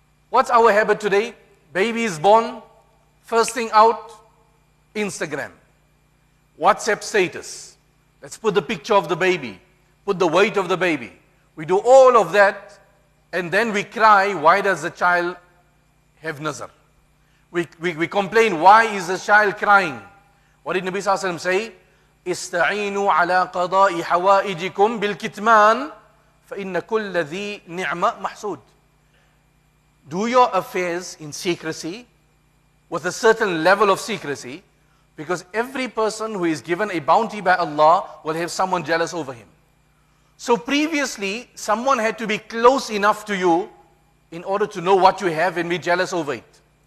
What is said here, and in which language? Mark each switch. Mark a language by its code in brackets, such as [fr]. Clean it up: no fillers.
[en] What's our habit today? Baby is born, first thing out, Instagram, WhatsApp status. Let's put the picture of the baby, put the weight of the baby. We do all of that, and then we cry, why does the child have nazar? We complain, why is the child crying? What did Nabi Sallallahu Alaihi Wasallam say? [ar] استعينوا على قضاء حوائجكم بالكتمان فإن كل ذي نعمة محسود. [en] Do your affairs in secrecy, with a certain level of secrecy, because every person who is given a bounty by Allah will have someone jealous over him. So previously, someone had to be close enough to you in order to know what you have and be jealous over it.